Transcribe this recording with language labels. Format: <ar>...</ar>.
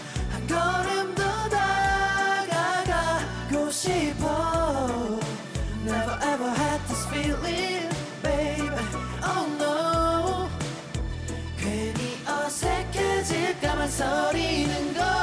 <ko>한 걸음 더 다가가고 싶어.</ko> <en>Never ever had this feeling, baby. Oh no.</en> <ko>괜히 어색해질까만 서리는 걸.</ko>